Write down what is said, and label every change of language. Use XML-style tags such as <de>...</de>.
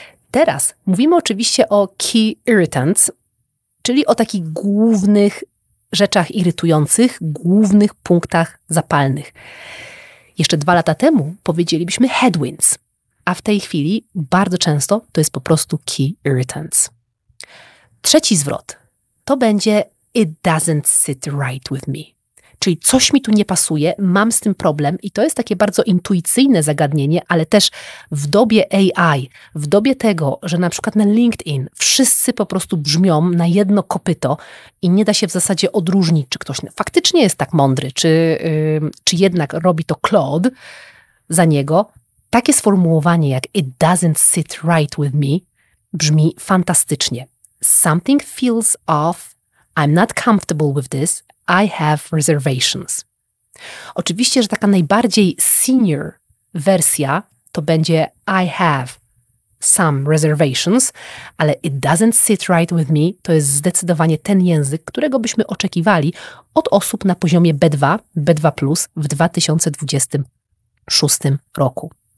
<pl>Teraz mówimy oczywiście o key irritants, czyli o takich głównych rzeczach irytujących, głównych punktach zapalnych. Jeszcze 2 lata temu powiedzielibyśmy headwinds, a w tej chwili bardzo często to jest po prostu key irritants. Trzeci zwrot to będzie</pl> <en>it doesn't sit right with me.</en> <pl>Czyli coś mi tu nie pasuje, mam z tym problem i to jest takie bardzo intuicyjne zagadnienie, ale też w dobie AI, w dobie tego, że na przykład na LinkedIn wszyscy po prostu brzmią na jedno kopyto i nie da się w zasadzie odróżnić, czy ktoś faktycznie jest tak mądry, czy jednak robi to Claude za niego. Takie sformułowanie jak</pl> <en>it doesn't sit right with me</en> <pl>brzmi fantastycznie.</pl> <en>Something feels off, I'm not comfortable with this, I have reservations.</en> <pl>Oczywiście, że taka najbardziej senior wersja to będzie</pl> <en>I have some reservations,</en> <pl>ale</pl> <en>it doesn't sit right with me</en> <pl>to jest zdecydowanie ten język, którego byśmy oczekiwali od osób na poziomie B2, B2 plus w 2026 roku.</pl>